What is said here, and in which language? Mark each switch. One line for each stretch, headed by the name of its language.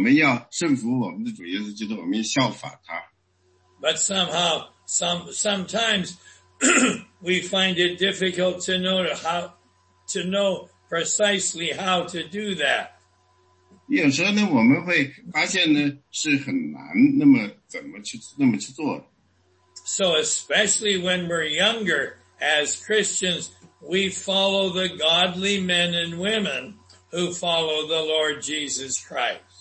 Chinese: 因为我们所有的人成了基督徒以后呢,说我们要顺服我们的主耶稣基督,我们要效法他。
English: But somehow, sometimes we find it difficult to know precisely how to do that.
Chinese: 有时候呢,我们会发现呢,是很难那么怎么去做。
English: So especially when we're younger as Christians, we follow the godly men and women who follow the Lord Jesus Christ.